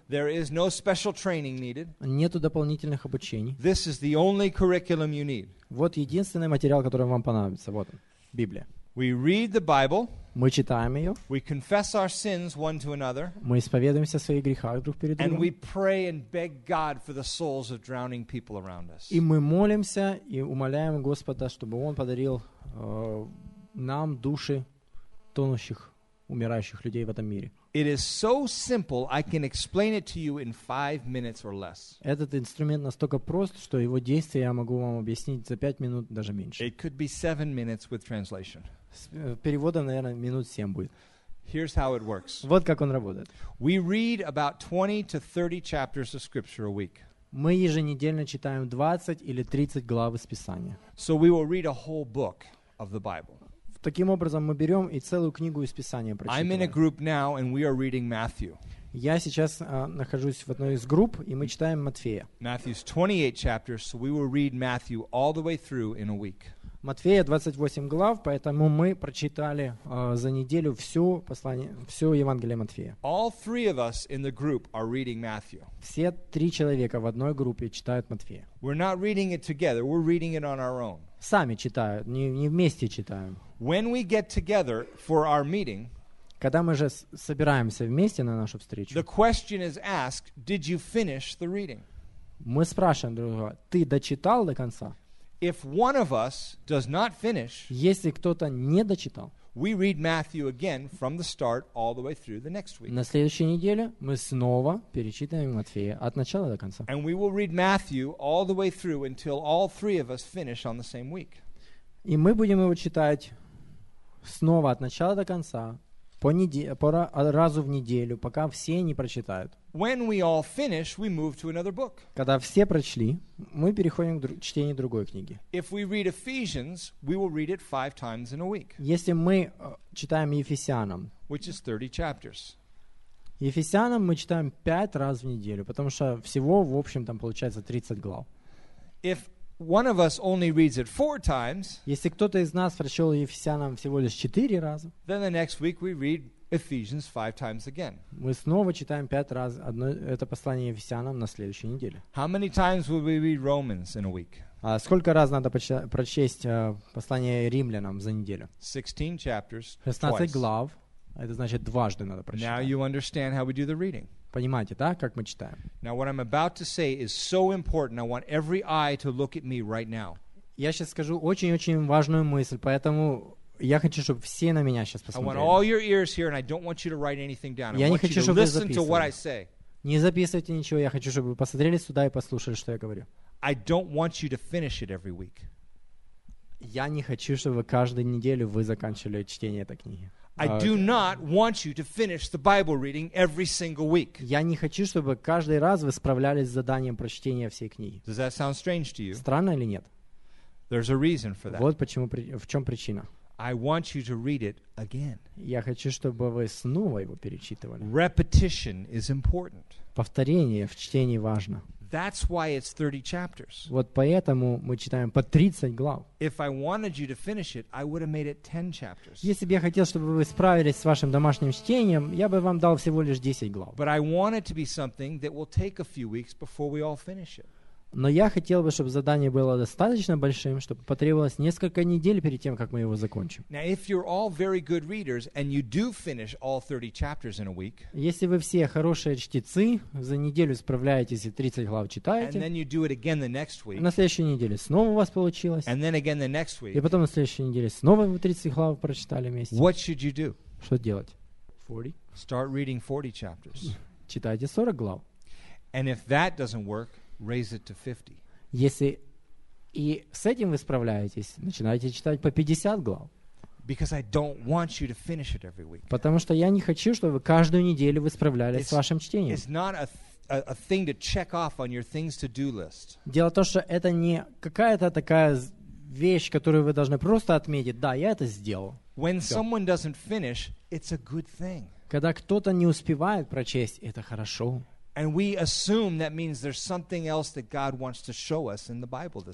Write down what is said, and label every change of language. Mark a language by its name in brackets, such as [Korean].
[English] There is no special training needed. [Russian] Нету дополнительных обучений. [English] This is the only curriculum you need. [Russian] Вот единственный материал, который вам понадобится. Вот он. Библия. [English] We read the Bible. [Russian] Мы читаем ее. [English] We confess our sins one to another. [Russian] Мы исповедуемся своих грехах друг перед другом. [English] And we pray and beg God for the souls of drowning people around us. [Russian] И мы молимся и умоляем Господа, чтобы Он подарил нам души тонущих, умирающих людей в этом мире. [English] It is so simple, I can explain it to you in 5 minutes or less. [Russian] Этот инструмент настолько прост, что его действие я могу вам объяснить за 5 минут, даже меньше. [English] It could be 7 minutes with translation. [Russian] Переводом, наверное, минут 7 будет. [English] Here's how it works. [Russian] Вот как он работает. [English] We read about 20 to 30 chapters of scripture a week. [Russian] Мы еженедельно читаем 20 или 30 глав из Писания. [English] So we will read a whole book of the Bible. [Russian] Таким образом, мы берем и целую книгу из Писания прочитываем. [English] I'm in a group now, and we are reading Matthew. [Russian] Я сейчас нахожусь в одной из групп, и мы читаем Матфея. [English] Matthew's 28 chapters, so we will read Matthew all the way through in a week. [Russian] Матфея 28 глав, поэтому мы прочитали за неделю всю послание, всю Евангелие Матфея. [English] All three of us in the group are reading Matthew. [Russian] Все три человека в одной группе читают Матфея. [English] We're not reading it together, we're reading it on our own. [Russian] Сами читают, не вместе читаем. [English] When we get together for our meeting, [Russian] когда мы же собираемся вместе на нашу встречу, [English] the question is asked, did you finish the reading? [Russian] Мы спрашиваем друг друга, ты дочитал до конца? [English] If one of us does not finish, [Russian] если кто-то не дочитал, [English] we read Matthew again from the start all the way through the next week. [Russian] На следующей неделе мы снова перечитываем Матфея от начала до конца. [English] And we will read Matthew all the way through until all three of us finish on the same week. [Russian] И мы будем его читать снова от начала до конца, разу в неделю, пока все не прочитают. [English] When we all finish, we move to another book. [Russian] Когда все прочли, мы переходим к чтению другой книги. [English] If we read Ephesians, we will read it 5 times in a week. [Russian] Если мы читаем Ефесянам, [English] which is 30 chapters. [Russian] Ефесянам мы читаем 5 раз в неделю, потому что всего, в общем, там получается 30 глав. [English] If one of us only reads it 4 times. [Russian] Если кто-то из нас прочел Ефесянам всего лишь 4 раза, [English] then the next week we read Ephesians 5 times again. [Russian] Мы снова читаем 5 раз одно это послание Ефесянам на следующей неделе. [English] How many times will we read Romans in a week? [Russian] Сколько раз надо прочесть послание Римлянам за неделю? [English] 16 chapters. [Russian] 16 глав. Это значит 2 раза надо прочитать. [English] Now you understand how we do the reading. [Russian] Понимаете, да, как мы читаем? [English] Now what I'm about to say is so important. I want every eye to look at me right now. [Russian] Я сейчас скажу очень-очень важную мысль, поэтому я хочу, чтобы все на меня сейчас посмотрели. [English] I want all your ears here, and I don't want you to write anything down. [Russian] Я не хочу, чтобы вы записывали. [English] Listen to what I say. [Russian] Не записывайте ничего. Я хочу, чтобы вы посмотрели сюда и послушали, что я говорю. [English] I don't want you to finish it every week. [Russian] Я не хочу, чтобы каждую неделю вы заканчивали чтение этой книги. [English] I do not want you to finish the Bible reading every single week. [Russian] Я не хочу, чтобы каждый раз вы справлялись с заданием прочтения всей книги. [English] Does that sound strange to you? [Russian] Странно или нет? [English] There's a reason for that. [Russian] Вот почему, в чем причина. [English] I want you to read it again. [Russian] Я хочу, чтобы вы снова его перечитывали. [English] Repetition is important. [Russian] Повторение в чтении важно. [English] That's why it's 30 chapters. [Russian] Вот поэтому мы читаем по 30 глав. [English] If I wanted you to finish it, I would have made it 10 chapters. [Russian] Если бы я хотел, чтобы вы справились с вашим домашним чтением, я бы вам дал всего лишь 10 глав. [English] But I want it to be something that will take a few weeks before we all finish it. [Russian] Но я хотел бы, чтобы задание было достаточно большим, чтобы потребовалось несколько недель перед тем, как мы его закончим. [English] Now, if you're all very good readers and you do finish all 30 chapters in a week, [Russian] если вы все хорошие чтецы, за неделю справляетесь и 30 глав читаете, [English] and then you do it again the next week, [Russian] на следующей неделе снова у вас получилось, [English] and then again the next week, [Russian] и потом на следующей неделе снова вы 30 глав прочитали вместе, [English] what should you do? [Russian] Что делать? [English] 40. Start reading 40 chapters. [Russian] Читайте 40 глав. [English] And if that doesn't work, raise it to 50. [Russian] Если и с этим вы справляетесь, начинайте читать по 50 глав. [English] Because I don't want you to finish it every week. [Russian] Потому что я не хочу, чтобы каждую неделю вы справлялись с вашим чтением. [English] It's not a a thing to check off on your things to do list. [Russian] Дело в том, что это не какая-то такая вещь, которую вы должны просто отметить. Да, я это сделал. [English] When someone doesn't finish, it's a good thing. [Russian] Когда кто-то не успевает прочесть, это хорошо. [English] And we assume that means there's something else that God wants to show us in the Bible this